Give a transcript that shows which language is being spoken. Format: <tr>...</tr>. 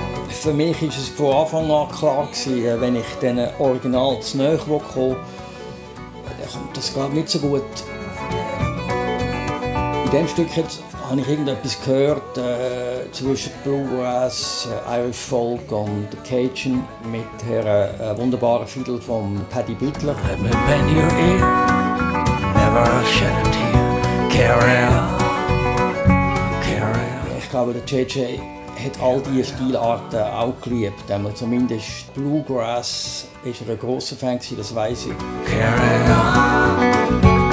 <de>Für mich war es von Anfang an klar, wenn ich den Original zu nahe komme, das geht nicht so gut. In diesem Stück habe ich irgendetwas gehört zwischen Bluegrass, Irish Folk und Cajun mit der wunderbaren Fiddle von Paddy Butler.</de> <en>Let me bend your ear, never shed a tear. Carry on, carry on.</en> <de>Ich glaube, der JJ hat all diese Stilarten auch geliebt. Zumindest Bluegrass war er ein grosser Fan, das weiss ich.</de> <en>Carry on.</en>